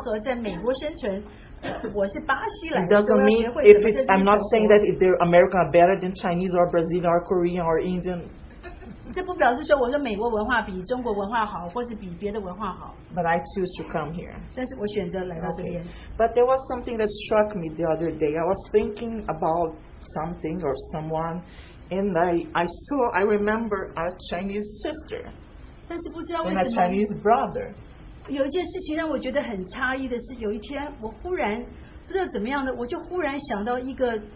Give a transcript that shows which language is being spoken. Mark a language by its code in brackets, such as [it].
[zh] 因为呢，我在美国，所以我要学会美国人的文化，如何在美国生存。我是巴西来的。 [en] It doesn't mean if it, I'm not saying that if they're American are better than Chinese or Brazilian or Korean or Indian. [zh] 这不表示说我说美国文化比中国文化好，或是比别的文化好。 [en] But I choose to come here. [zh] 但是我选择来到这边。 [en] Okay. But there was something that struck me the other day. I was thinking about something or someone, and I remember a Chinese sister. And a Chinese brother. [zh] 有一件事情让我觉得很诧异的是，有一天我忽然不知道怎么样的，我就忽然想到一个